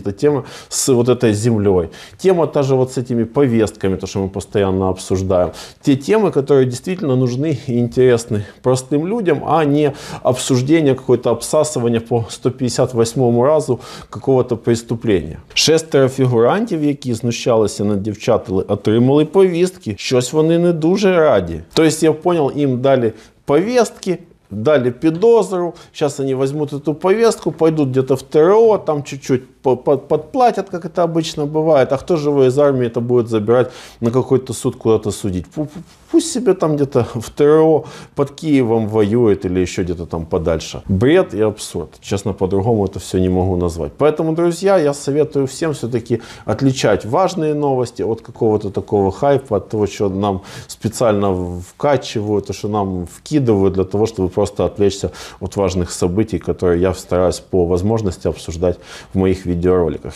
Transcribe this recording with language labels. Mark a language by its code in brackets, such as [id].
[ru] Это тема с вот этой землей. Тема та же вот с этими повестками, то, что мы постоянно обсуждаем. Те темы, которые действительно нужны и интересны простым людям, а не обсуждение, какое-то обсасывание по 158-му разу какого-то преступления. [uk] Шестеро фігурантів, які знущалися над дівчатами, отримали повістки. Щось вони не дуже раді. Тобто, я зрозумів, їм дали повістки, дали підозру, зараз вони візьмуть цю повістку, пойдуть десь в ТРО, там чуть-чуть підплатять, як це обычно буває, а хто живий з армії це буде забирати на якийсь суд, куди-то судити. [ru] Пусть себе там где-то в ТРО под Киевом воюет или еще где-то там подальше. Бред и абсурд. Честно, по-другому это все не могу назвать. Поэтому, друзья, я советую всем все-таки отличать важные новости от какого-то такого хайпа, от того, что нам специально вкачивают, то, что нам вкидывают для того, чтобы просто отвлечься от важных событий, которые я стараюсь по возможности обсуждать в моих видеороликах.